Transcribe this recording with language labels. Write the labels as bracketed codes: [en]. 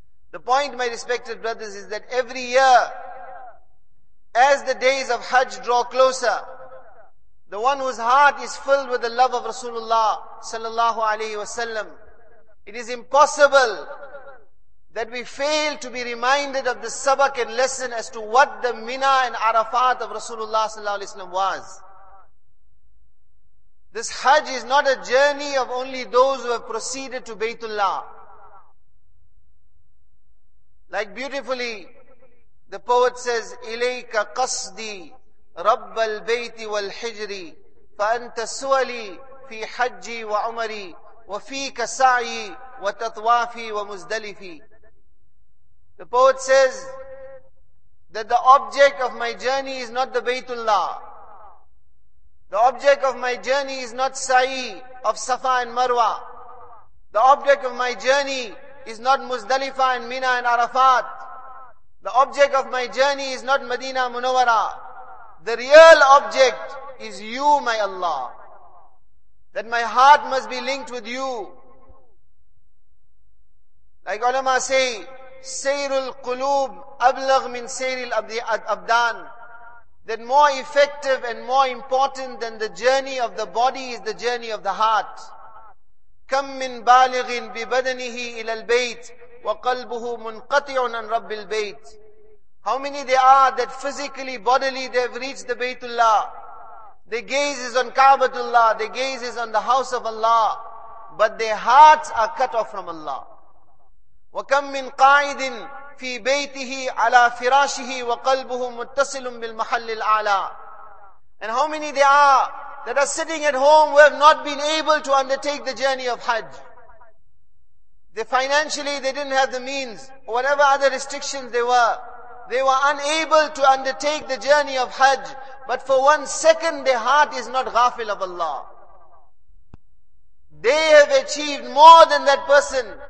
[en] The point, my respected brothers, is that every year, as the days of Hajj draw closer, the one whose heart is filled with the love of Rasulullah sallallahu alaihi wasallam, it is impossible that we fail to be reminded of the sabak and lesson as to what the Mina and Arafat of Rasulullah sallallahu alaihi wasallam was. This Hajj is not a journey of only those who have proceeded to Baytullah. Like beautifully, the poet says, [ar] إِلَيْكَ قَصْدِي رَبَّ الْبَيْتِ وَالْحِجْرِ فَأَنْتَ سُوَلِي فِي حَجِّي وَعُمَرِي وَفِيكَ سَعِي وَتَطْوَافِي وَمُزْدَلِفِي. [en] The poet says that the object of my journey is not the Baytullah. The object of my journey is not Sa'i of Safa and Marwa. The object of my journey is not Muzdalifa and Mina and Arafat. The object of my journey is not Medina Munawara. The real object is you, my Allah. That my heart must be linked with you. Like ulama say, [ar] Sayrul Qulub Ablagh min Sayril Abdan. [en] That more effective and more important than the journey of the body is the journey of the heart. [ar] كم من بالغ ببدنه إلى البيت وقلبه منقطع عن رب البيت. [en] How many they are that physically, bodily, they have reached the Baytullah. Their gaze is on Kaabatullah, their gaze is on the house of Allah, but their hearts are cut off from Allah. [ar] وكم من قاعد في بيته على فراشه وقلبه متصل بالمحل الأعلى. [en] And how many they are that are sitting at home who have not been able to undertake the journey of Hajj. They financially, they didn't have the means. Whatever other restrictions they were unable to undertake the journey of Hajj. But for one second, their heart is not ghafil of Allah. They have achieved more than that person